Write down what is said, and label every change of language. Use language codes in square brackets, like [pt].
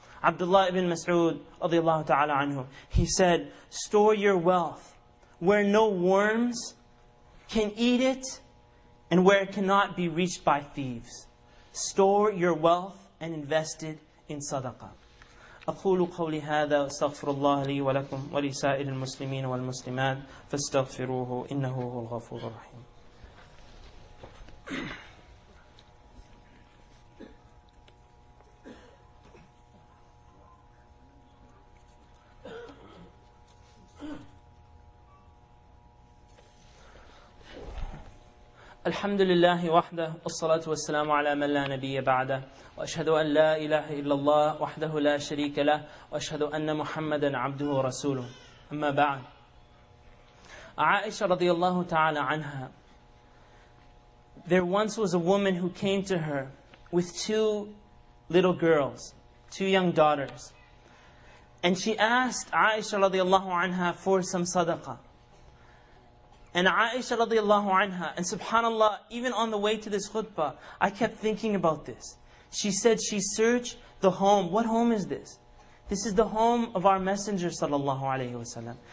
[en] Abdullah ibn Mas'ud radiallahu ta'ala anhu, he said, "Store your wealth where no worms can eat it, and where it cannot be reached by thieves. Store your wealth and invest it in sadaqah." [ar] أَقُولُ قَوْلِ هَذَا وَاسْتَغْفِرُ اللَّهَ لِي وَلَكُمْ وَلِسَائِرِ الْمُسْلِمِينَ وَالْمُسْلِمَاتِ فَاسْتَغْفِرُوهُ إِنَّهُ هُوَ الْغَفُورُ الحمد لله وحده والصلاة والسلام على من لا نبي بعده وأشهد أن لا إله إلا الله وحده لا شريك له وأشهد أن محمدا عبده ورسوله أما بعد عائشة رضي الله تعالى عنها [en] There once was a woman who came to her with two little girls, two young daughters. And she asked عائشة رضي الله عنها for some sadaqah. And Aisha radiallahu anha, and subhanAllah, even on the way to this khutbah, I kept thinking about this. She said she searched the home. What home is this? This is the home of our Messenger sallallahu alayhi wasallam.